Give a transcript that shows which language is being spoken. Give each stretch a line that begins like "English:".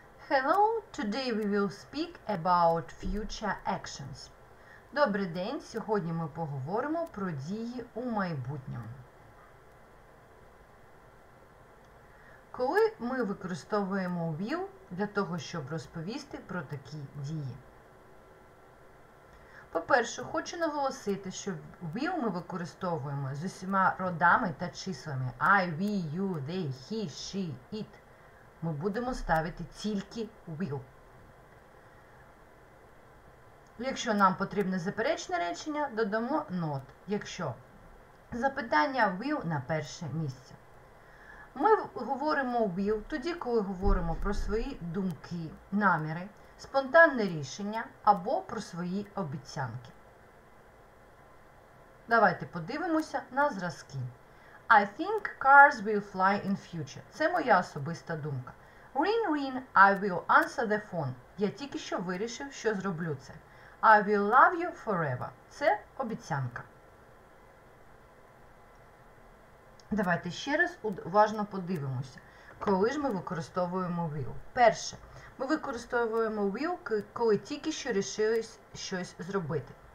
English: Hello, today we will speak about future actions.
Ukrainian: Добрий день, сьогодні ми поговоримо про дії у майбутньому. Коли ми використовуємо will для того, щоб розповісти про такі дії? По-перше, хочу наголосити, що will ми використовуємо з усіма родами та числами
English: I, we, you, they, he, she, it.
Ukrainian: Ми будемо ставити тільки will. Якщо нам потрібне заперечне речення, додамо not, якщо запитання will на перше місце. Ми говоримо will тоді, коли говоримо про свої думки, наміри, спонтанне рішення або про свої обіцянки. Давайте подивимося на зразки.
English: I think cars will fly in future.
Ukrainian: Це моя особиста думка.
English: Ring, ring, I will answer the phone.
Ukrainian: Я тільки що вирішив, що зроблю це.
English: I will love you forever.
Ukrainian: Це обіцянка. Давайте ще раз уважно подивимося, коли ж ми використовуємо will. Перше, ми використовуємо will, коли тільки що рішились щось зробити.